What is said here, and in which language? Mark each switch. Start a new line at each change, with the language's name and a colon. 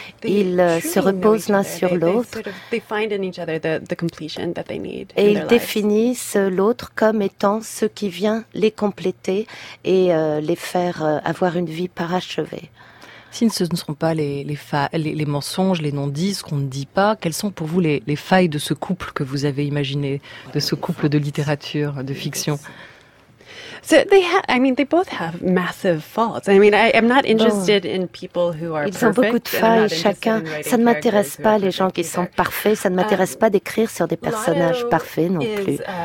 French: Ils se reposent l'un sur l'autre, et ils définissent l'autre comme étant ce qui vient les compléter et les faire avoir une vie parachevée. Si ce ne sont pas les mensonges, les non-dits, ce qu'on ne dit pas, quelles sont pour vous les failles de ce couple que vous avez imaginé, de ce couple de littérature, de fiction?
English: So they have, I mean, they both have massive faults. I mean, I'm not interested in people who are perfect.
French: Ils ont beaucoup de failles chacun. Ça ne m'intéresse pas les gens qui sont parfaits. Ça ne m'intéresse pas d'écrire sur des personnages parfaits non plus.